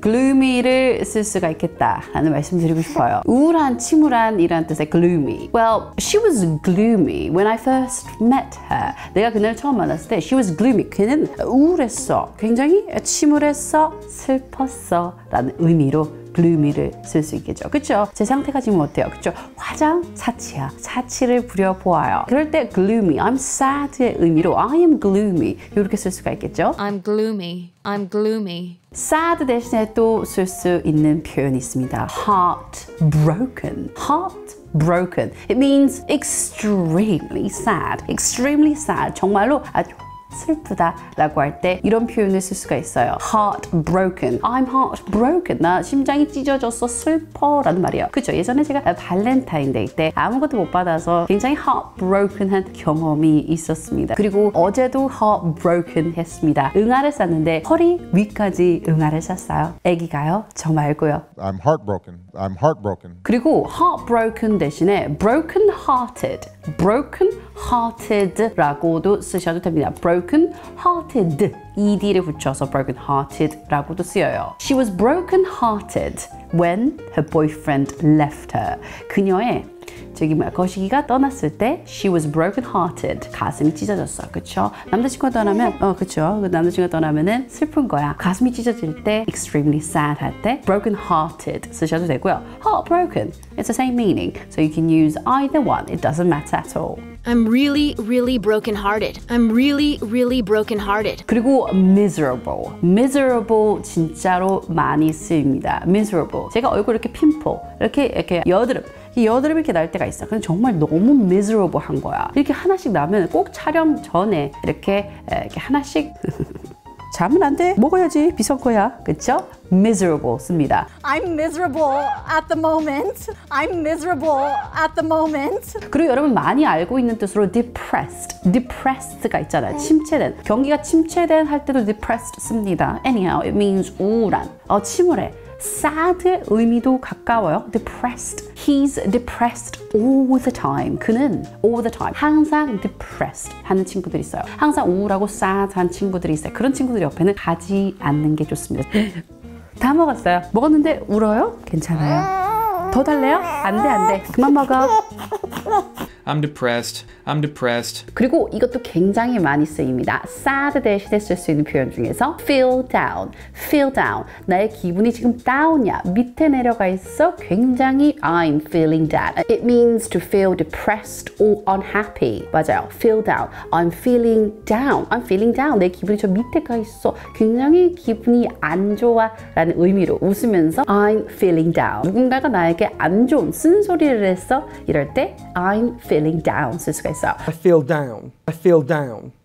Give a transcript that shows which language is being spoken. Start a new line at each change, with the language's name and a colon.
Korean: Gloomy를 쓸 수가 있겠다라는 말씀 드리고 싶어요. 우울한, 침울한이라는 뜻의 gloomy.
English: Well, she was gloomy when I first met her.
Korean: 내가 그녀를 처음 만났을 때
English: she was gloomy.
Korean: 그는 우울했어. 굉장히 침울했어. 슬펐어. 라는 의미로 gloomy를 쓸 수 있겠죠. 그쵸? 제 상태가 지금 어때요? 그쵸? 화장 사치야. 사치를 부려보아요. 그럴 때 gloomy,
English: I'm sad
Korean: 의 의미로
English: I am gloomy
Korean: 이렇게 쓸 수가 있겠죠?
English: I'm gloomy, I'm gloomy.
Korean: sad 대신에 또 쓸 수 있는 표현이 있습니다.
English: Heartbroken. Heartbroken. It means extremely sad. Extremely sad.
Korean: 정말로 아주 슬프다 라고 할 때 이런 표현을 쓸 수가 있어요.
English: Heartbroken. I'm heartbroken.
Korean: 나 심장이 찢어졌어. 슬퍼 라는 말이에요. 그쵸. 예전에 제가 발렌타인데이 때 아무것도 못 받아서 굉장히 heartbroken 한 경험이 있었습니다. 그리고 어제도 heartbroken 했습니다. 응아를 쌌는데 허리 위까지 응아를 쌌어요. 애기가요? 저 말고요.
English: I'm heartbroken. I'm heartbroken.
Korean: 그리고 heartbroken 대신에 broken hearted. broken hearted 라고도 쓰셔도 됩니다. broken hearted ed를 붙여서 broken hearted 라고도 쓰여요.
English: She was broken hearted when her boyfriend left her.
Korean: 그녀의 저기 뭐야 거시기가 떠났을 때
English: she was broken hearted.
Korean: 가슴이 찢어졌어. 그쵸? 남자친구가 떠나면 그쵸? 남자친구가 떠나면은 슬픈 거야. 가슴이 찢어질 때
English: extremely sad
Korean: 할 때 broken hearted 쓰셔도 되고요.
English: heartbroken. It's the same meaning. So you can use either one. It doesn't matter at all. I'm really, really broken hearted. I'm really, really broken hearted.
Korean: 그리고 miserable. Miserable 진짜로 많이 쓰입니다.
English: Miserable.
Korean: 제가 얼굴 이렇게 pimple. 이렇게 여드름. 여드름이 이렇게 날 때가 있어. 근데 정말 너무 miserable 한 거야. 이렇게 하나씩 나면 꼭 촬영 전에 이렇게 하나씩. 자면 안 돼. 먹어야지. 비싼 거야. 그쵸? miserable 씁니다.
English: I'm miserable at the moment. I'm miserable at the moment.
Korean: 그리고 여러분 많이 알고 있는 뜻으로 depressed. depressed가 있잖아요. 침체된. 경기가 침체된 할 때도 depressed 씁니다.
English: Anyhow, it means 우울한.
Korean: 침울해. sad의 의미도 가까워요.
English: depressed. He's depressed all the time. 그는 all the time.
Korean: 항상 depressed 하는 친구들이 있어요. 항상 우울하고 sad한 친구들이 있어요. 그런 친구들 옆에는 가지 않는 게 좋습니다. 다 먹었어요. 먹었는데 울어요? 괜찮아요. 더 달래요? 안 돼, 안 돼. 그만 먹어.
English: I'm depressed. I'm depressed.
Korean: 그리고 이것도 굉장히 많이 쓰입니다. sad 대신에 쓸 수 있는 표현 중에서 feel down.
English: feel down.
Korean: 나의 기분이 지금 down이야. 밑에 내려가 있어.
English: 굉장히 I'm feeling down. It means to feel depressed or unhappy. 맞아요. feel down. I'm feeling down. I'm feeling down.
Korean: 내 기분이 저 밑에 가 있어. 굉장히 기분이 안 좋아 라는 의미로 웃으면서
English: I'm feeling down.
Korean: 누군가가 나에게 안 좋은 쓴소리를 했어. 이럴 때 I'm feeling down. feeling down 쓸 수가 있어요.
English: I feel down. I feel down.